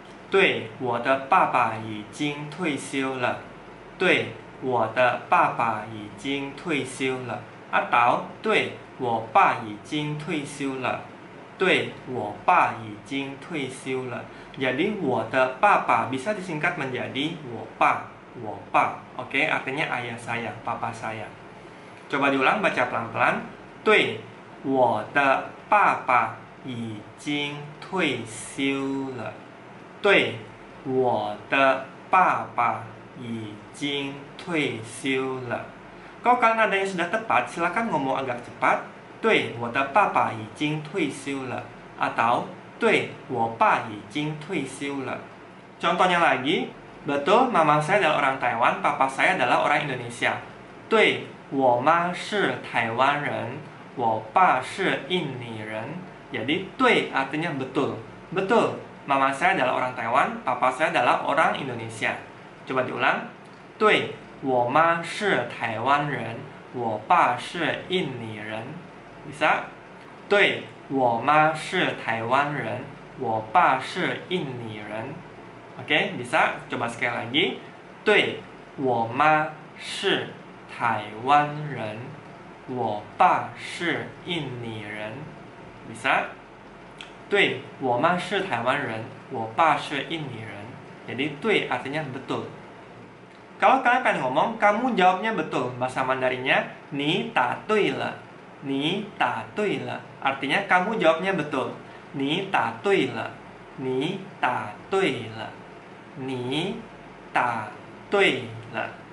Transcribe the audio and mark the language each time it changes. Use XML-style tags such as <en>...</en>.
<zh>对,我的爸爸已经退休了. 对,我的爸爸已经退休了. 对, 我的爸爸已经退休了。阿导，对，我爸已经退休了。对，我爸已经退休了。</zh> <id>Jadi</id> <zh>我的爸爸</zh> <id>bisa disingkat menjadi</id> <zh>我爸，我爸。</zh> <id>Oke, artinya ayah saya, papa saya. Coba diulang baca pelan-pelan.</id> <zh>对，我的爸爸已经退休了。对，我的爸爸 已经退休了.</zh> <id>Kalau kalian ada yang sudah tepat, silakan ngomong agak cepat.</id> <zh>对,我的爸爸已经退休了. Atau 对,我爸已经退休了.</zh> <id>Contohnya lagi, Betul, mama saya adalah orang Taiwan, papa saya adalah orang Indonesia.</id> <zh>对，我妈是台湾人，我爸是印尼人。</zh> <id>Jadi, 对 artinya betul. Betul, mama saya adalah orang Taiwan, papa saya adalah orang Indonesia. Coba diulang.</id> <zh>对，我妈是台湾人，我爸是印尼人。</zh> <id>Bisa?</id> <zh>对，我妈是台湾人，我爸是印尼人。</zh> <id>Oke, bisa? Coba sekali lagi.</id> <zh>对，我妈是台湾人，我爸是印尼人。</zh> <id>Bisa?</id> <zh>对，我妈是台湾人，我爸是印尼人。</zh> <id>Jadi, 对 artinya betul. Kalau kalian pengen ngomong, kamu jawabnya betul. Bahasa Mandarinnya,</id> <zh>你答对了。你答对了。</zh> <id>Artinya, kamu jawabnya betul.</id> <zh>你答对了。你答对了。你答对了。</zh>